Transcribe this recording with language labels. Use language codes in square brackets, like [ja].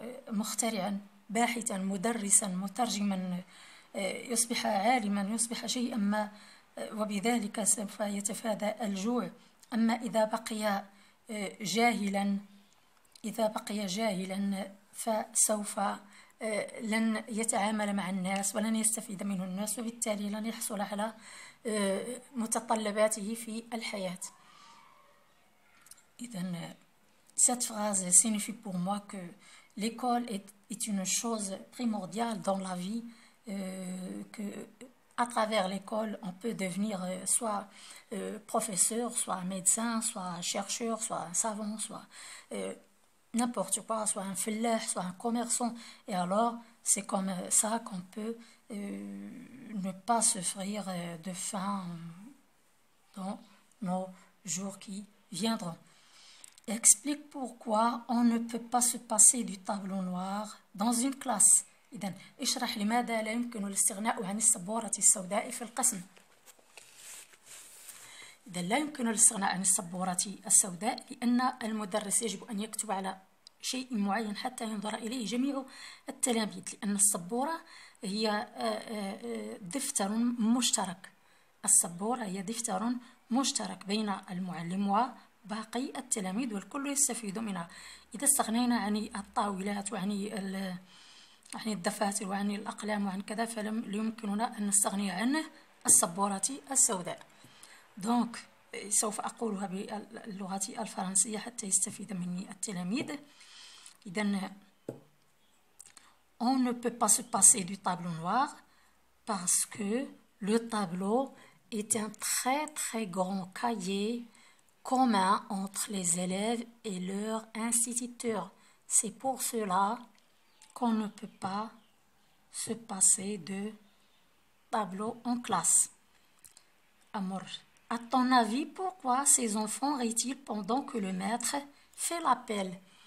[ar] مخترعا باحثا مدرسا مترجما يصبح عالما يصبح شيئا ما وبذلك سوف يتفادى الجوع أما إذا بقي جاهلا إذا بقي جاهلا فسوف لن يتعامل مع الناس ولن يستفيد منه الناس وبالتالي لن يحصل على متطلباته في الحياة. [fr] إذن cette phrase signifie pour moi que l'école est une chose primordiale dans la vie, que à travers l'école on peut devenir soit professeur, soit médecin, soit chercheur, soit savant, soit n'importe quoi, soit un filleur, soit un commerçant. Et alors, c'est comme ça qu'on peut ne pas souffrir de faim dans nos jours qui viendront. Explique pourquoi on ne peut pas se passer du tableau noir dans une classe. [ar] إذن اشرح لماذا لا يمكن الاستغناء عن السبورة السوداء في القسم. إذن لا يمكن الاستغناء عن السبورة السوداء لأن المدرس يجب أن يكتب على شيء معين حتى ينظر إليه جميع التلاميذ لأن السبورة هي دفتر مشترك السبورة هي دفتر مشترك بين المعلم وباقي التلاميذ والكل يستفيد منها إذا استغنينا عن الطاولات وعن الدفاتر وعن الأقلام وعن كذا فلم يمكننا أن نستغني عن السبورة السوداء دونك سوف أقولها باللغة الفرنسية حتى يستفيد مني التلاميذ إذن [fr] on ne peut pas se passer du tableau noir parce que le tableau est un très très grand cahier commun entre les élèves et leurs instituteurs. C'est pour cela qu'on ne peut pas se passer de tableau en classe. Amor, à ton avis, pourquoi ces enfants rient-ils pendant que le maître fait l'appel?